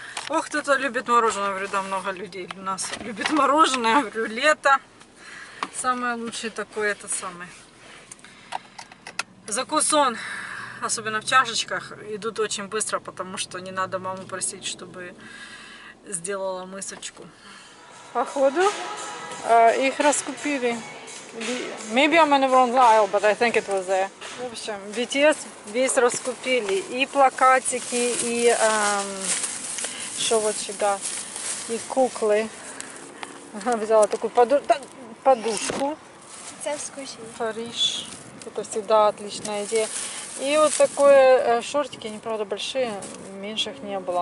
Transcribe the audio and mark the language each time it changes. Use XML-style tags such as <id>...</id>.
<ru>Ох, кто-то любит мороженое. Говорю, да, много людей у нас любит мороженое. Говорю, лето. Самое лучшее такое, это самое. Закусон, особенно в чашечках, идут очень быстро, потому что не надо маму просить, чтобы сделала мысочку. Походу, их раскупили.</ru> <en>Maybe I'm in the wrong aisle, but I think it was there.</en> <ru>В общем, BTS весь раскупили. И плакатики, и что вот сюда, и куклы. Взяла такую подушку. Это вкусно. Париж. Это всегда отличная идея. И вот такое шортики, они правда большие, меньших не было.</ru>